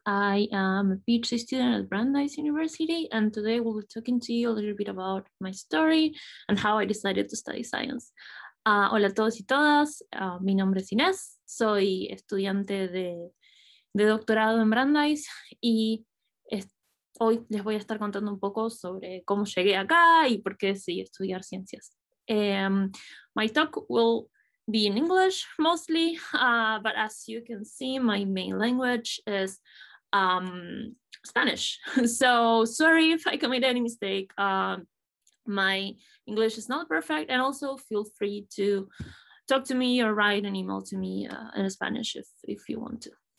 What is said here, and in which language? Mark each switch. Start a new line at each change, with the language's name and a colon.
English: I am a PhD student at Brandeis University, and today we'll be talking to you a little bit about my story and how I decided to study science.
Spanish: Hola a todos y todas. Mi nombre es Inés. Soy estudiante de doctorado en Brandeis y hoy les voy a estar contando un poco sobre cómo llegué acá y por qué decidí estudiar ciencias.
English: My talk will be in English mostly, but as you can see, my main language is Spanish. So sorry if I committed any mistake. My English is not perfect, and also feel free to talk to me or write an email to me in Spanish if you want to.